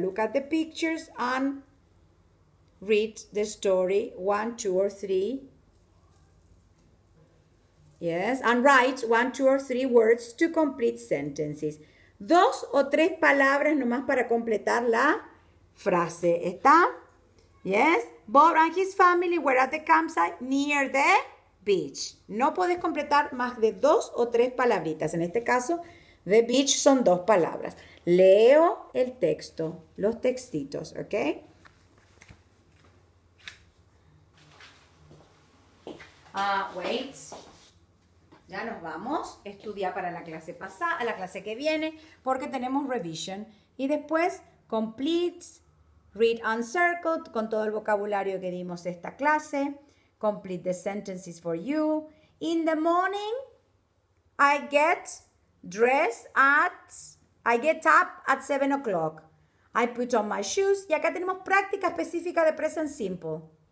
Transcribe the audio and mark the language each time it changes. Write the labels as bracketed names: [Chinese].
[English] Look at the pictures and read the story 1, 2, or 3. Yes, and write 1, 2, or 3 words to complete sentences. [Spanish] Dos o tres palabras nomás para completar la frase, ¿está? [English] Yes, Bob and his family were at the campsite near the beach. [Spanish] No podés completar más de dos o tres palabritas. En este caso, the beach son dos palabras. Leo el texto, los textitos, ¿ok? Wait. Ya nos vamos. Estudia para la clase pasada, la clase que viene, porque tenemos revision. Y después, complete. [English] Read uncircled [Spanish] con todo el vocabulario que dimos esta clase. [English] Complete the sentences for you. In the morning, I get up at 7 o'clock. I put on my shoes. [Spanish] Y acá tenemos práctica específica de present simple.